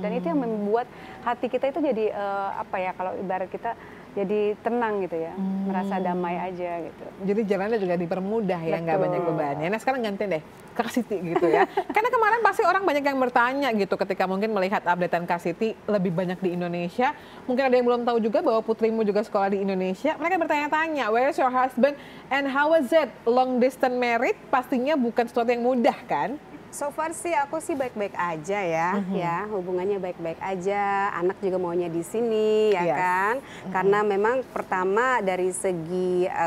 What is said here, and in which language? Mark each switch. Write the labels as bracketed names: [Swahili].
[Indonesian] Dan itu yang membuat hati kita itu jadi apa ya kalau ibarat kita jadi tenang gitu ya, merasa damai aja gitu. Jadi jalannya juga dipermudah ya, nggak banyak bebannya. Nah sekarang ganti deh Kak Siti gitu ya. Karena kemarin pasti orang banyak yang bertanya gitu ketika mungkin melihat updatean Kak Siti lebih banyak di Indonesia. Mungkin ada yang belum tahu juga bahwa putrimu juga sekolah di Indonesia. Mereka bertanya-tanya, [English] where's your husband and how was it? Long distance married [Indonesian] pastinya bukan sesuatu yang mudah kan? [English] So far [Indonesian] sih aku sih baik-baik aja ya, ya hubungannya baik-baik aja, anak juga maunya di sini ya kan, karena memang pertama dari segi